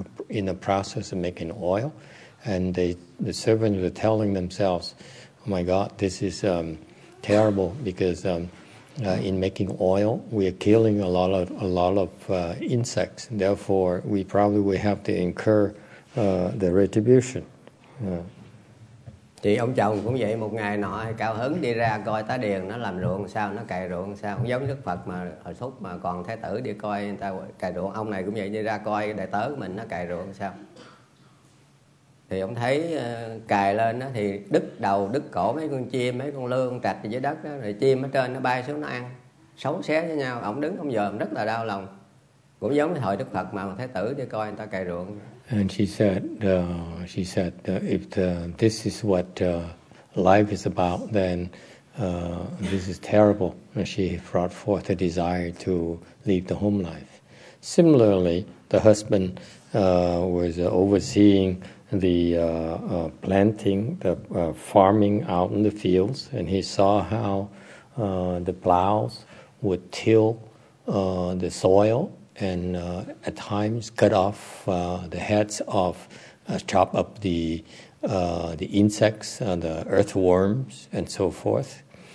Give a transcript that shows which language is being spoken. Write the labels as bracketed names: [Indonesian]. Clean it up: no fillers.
[English] in the process of making oil, and the servants were telling themselves, "Oh my God, this is terrible, because in making oil we are killing a lot of insects. Therefore, we probably will have to incur the retribution." [Vietnamese] Thì ông chồng cũng vậy, một ngày nọ cao hứng đi ra coi tá điền nó làm ruộng sao, nó cày ruộng sao, không giống Đức Phật mà hồi xúc mà còn thái tử đi coi người ta cày ruộng. Ông này cũng vậy, đi ra coi đại tớ mình nó cày ruộng sao. Thì ông thấy cày lên đó, thì đứt đầu, đứt cổ mấy con chim, mấy con lươn trạch dưới đất đó, rồi chim ở trên nó bay xuống nó ăn, xấu xé với nhau. Ông đứng ông dòm rất là đau lòng, cũng giống hồi Đức Phật mà thái tử đi coi người ta cày ruộng. [English] And she said, if this is what life is about, then this is terrible. And she brought forth a desire to leave the home life. Similarly, the husband was overseeing the planting, the farming out in the fields, and he saw how the plows would till the soil, and at times cut off the heads off, chop up the insects, the earthworms, and so forth.